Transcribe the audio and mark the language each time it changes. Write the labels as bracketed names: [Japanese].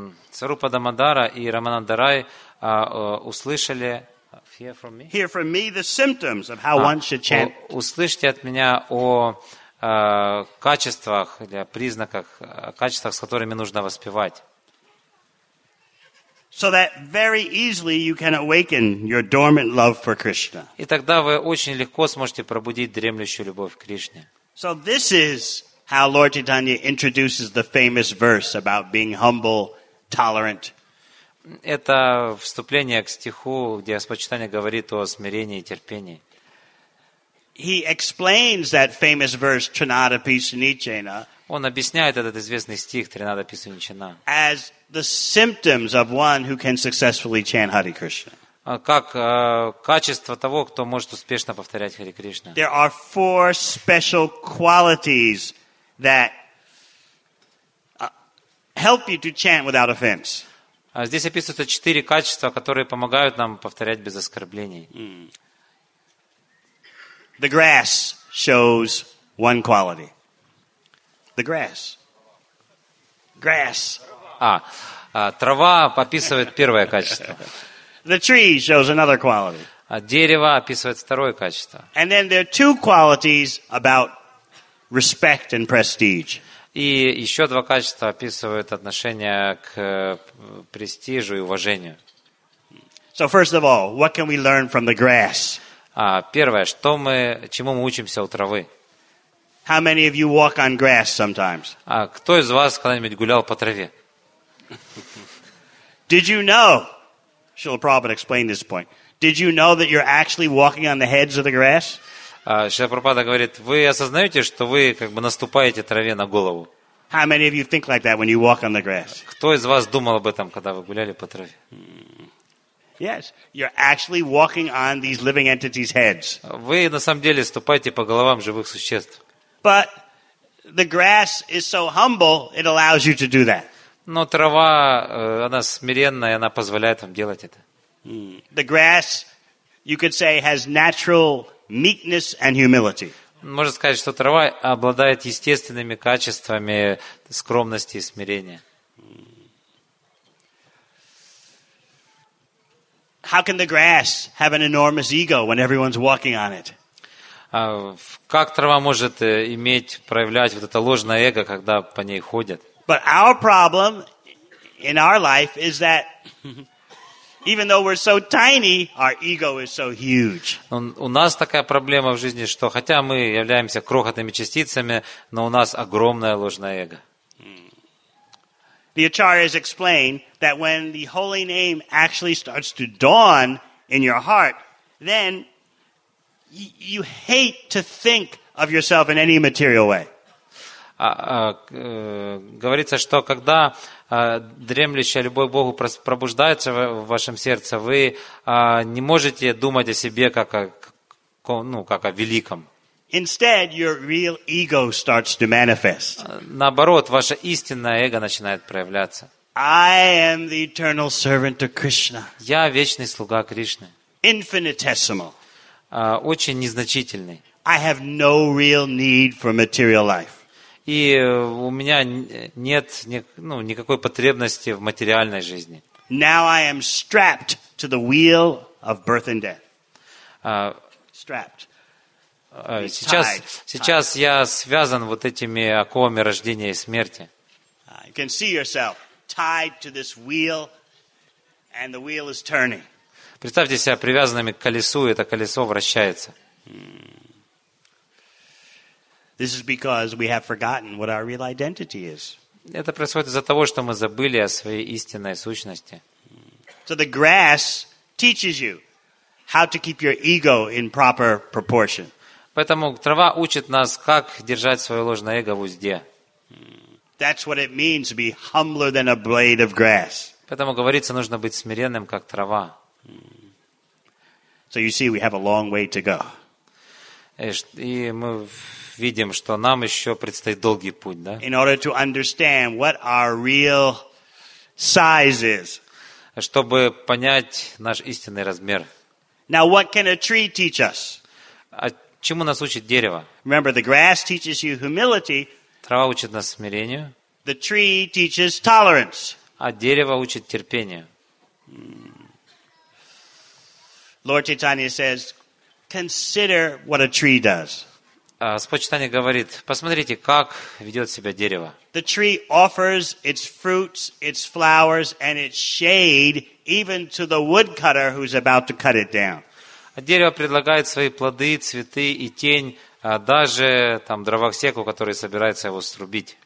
[Russian] Srupa Damodara и Рамананда Рай услышали. [English] Hear from me the symptoms of how one should chant. [Russian] Услышьте от меня о качествах или о признаках, о качествах, с которыми нужно воспевать. [English] So that very easily you can awaken your dormant love for Krishna. [Russian] И тогда вы очень легко сможете пробудить дремлющую любовь к Кришне. [English] So this is how Lord Chaitanya introduces the famous verse about being humble, tolerant. [Russian] Это вступление к стиху, где Господь Чайтанья говорит о смирении и терпении. [English] He explains that famous verse Trinada Pisunichena. [Russian] Он объясняет этот известный стих Тринада Писуничина. [English] As the symptoms of one who can successfully chant Hare Krishna. [Russian] Как качество того, кто может успешно повторять Хари Кришна. [English] There are four special qualities that help you to chant without offense. [Russian] Здесь описываются четыре качества, которые помогают нам повторять без оскорблений. [English] The grass shows one quality. The grass. Grass. [Russian] Трава описывает первое качество. [English] The tree shows another quality. [Russian] Дерево описывает второе качество. [English] And then there are two qualities about respect and prestige. [Russian] И еще два качества описывают отношение к престижу и уважению. [English] So first of all, what can we learn from the grass? [Russian] Первое, чему мы учимся у травы? [English] How many of you walk on grass sometimes? [Russian] Кто из вас когда-нибудь гулял по траве? [English] Did you know? Srila Prabhupada explained this point. Did you know that you're actually walking on the heads of the grass? [Russian] Srila Prabhupada говорит, вы осознаете, что вы как бы наступаете траве на голову? [English] How many of you think like that when you walk on the grass? [Russian] Кто из вас думал об этом, когда вы гуляли по траве? [English] Yes, you're actually walking on these living entities' heads. [Russian] Вы на самом деле ступаете по головам живых существ. [English] But the grass is so humble, it allows you to do that. [Russian] Но трава, она смиренная, она позволяет вам делать это. [English] The grass, you could say, has natural meekness and humility. [Russian] Можно сказать, что трава обладает естественными качествами скромности и смирения. [English] How can the grass have an enormous ego when everyone's walking on it? [Russian] Как трава может иметь, проявлять вот это ложное эго, когда по ней ходят? [English] But our problem in our life is that even though we're so tiny, our ego is so huge. [Russian] У нас такая проблема в жизни, что хотя мы являемся крохотными частицами, но у нас огромное ложное эго. [English] The Acharyas explain that when the holy name actually starts to dawn in your heart, then you hate to think of yourself in any material way. [Russian] Говорится, что когда дремлющая любовь к Богу пробуждается в вашем сердце, вы не можете думать о себе как о великом. [English] Instead, your real ego starts to manifest. [Russian] Наоборот, ваше истинное эго начинает проявляться. [English] I am the eternal servant of Krishna. [Russian] Я вечный слуга Кришны. [English] Infinitesimal. [Russian] Очень незначительный. [English] I have no real need for material life. [Russian] И у меня нет никакой потребности в материальной жизни. [English] Now I am strapped to the wheel of birth and death. Strapped. [Russian] Сейчас я связан вот этими оковами рождения и смерти. [English] You can see yourself tied to this wheel, and the wheel is turning. [Russian] Представьте себя привязанными к колесу, и это колесо вращается. [English] This is because we have forgotten what our real identity is. [Russian] Это происходит из-за того, что мы забыли о своей истинной сущности. [English] So the grass teaches you how to keep your ego in proper proportion. [Russian] Поэтому трава учит нас, как держать свое ложное эго в узде. [English] That's what it means to be humbler than a blade of grass. [Russian] Поэтому говорится, нужно быть смиренным, как трава. [English] So you see, we have a long way to go. [Russian] И мы видим, что нам еще предстоит долгий путь, да? [English] In order to understand what our real size is. [Russian] Чтобы понять наш истинный размер. [English] Now, what can a tree teach us? [Russian] Чему нас учит дерево? [English] Remember, the grass teaches you humility. [Russian] Трава учит нас смирению. [English] The tree teaches tolerance. [Russian] А дерево учит терпению. [English] Lord Chaitanya says, consider what a tree does. [Russian] Господь Чайтанья говорит, посмотрите, как ведет себя дерево. [English] The tree offers its fruits, its flowers, and its shade even to the woodcutter who's about to cut it down. [Russian] Дерево предлагает свои плоды, цветы и тень даже там дровосеку, который собирается его срубить.